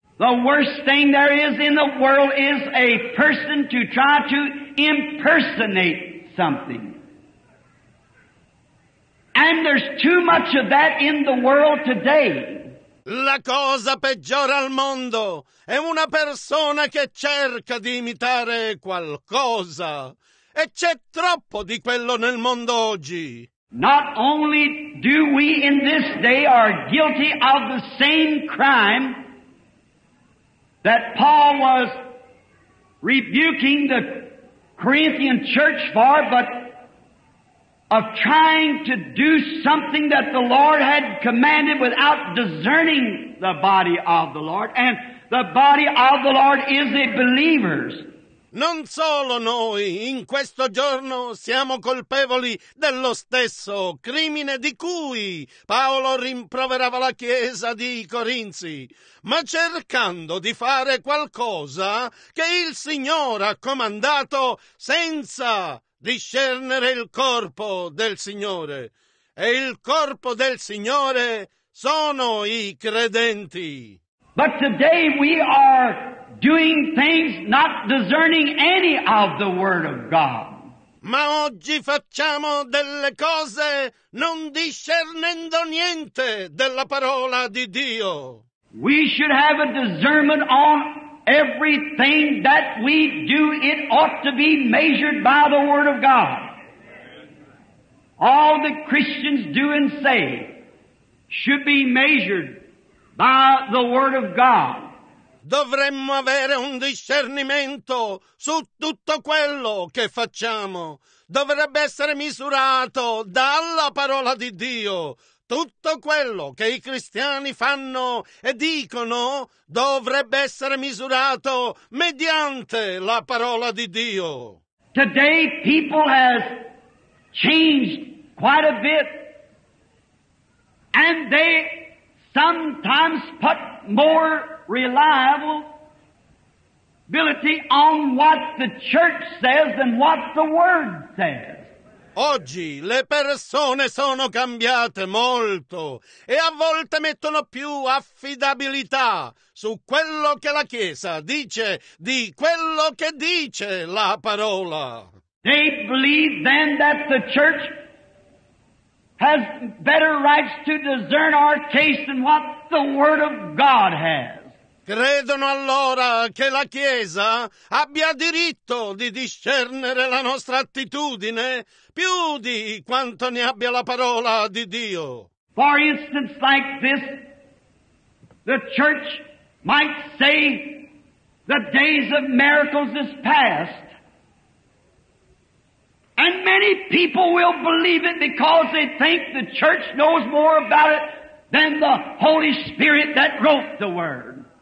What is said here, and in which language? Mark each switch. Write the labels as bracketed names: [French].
[English] The worst thing there is in the world is a person to try to impersonate something. And there's too much of that in the world today. [Italian] La cosa peggiore al mondo è una persona che cerca di imitare qualcosa. E c'è troppo di quello nel mondo oggi. [English] Not only do we in this day are guilty of the same crime that Paul was rebuking the Corinthian church for, but of trying to do something that the Lord had commanded without discerning the body of the Lord, and the body of the Lord is the believers. [Italian] Non solo noi in questo giorno siamo colpevoli dello stesso crimine di cui Paolo rimproverava la chiesa di Corinzi, ma cercando di fare qualcosa che il Signore ha comandato senza discernere il corpo del Signore. E il corpo del Signore sono i credenti. [English] But today we are doing things not discerning any of the word of God. [Italian] Ma oggi facciamo delle cose non discernendo niente della parola di Dio. [English] We should have a discernment on everything that we do. It ought to be measured by the word of God. All that Christians do and say should be measured by the word of God. [Italian] Dovremmo avere un discernimento su tutto quello che facciamo. Dovrebbe essere misurato dalla parola di Dio. Tutto quello che i cristiani fanno e dicono dovrebbe essere misurato mediante la parola di Dio. [English] Today people have changed quite a bit, and they sometimes put more reliability on what the church says and what the word says. [Italian] Oggi le persone sono cambiate molto e a volte mettono più affidabilità su quello che la Chiesa dice di quello che dice la parola. [English] They believe then that the church has better rights to discern our case than what the word of God has. [Italian] Credono allora che la Chiesa abbia diritto di discernere la nostra attitudine più di quanto ne abbia la parola di Dio. [English] For instance, like this, the church might say the days of miracles is past. And many people will believe it because they think the church knows more about it than the Holy Spirit that wrote the word.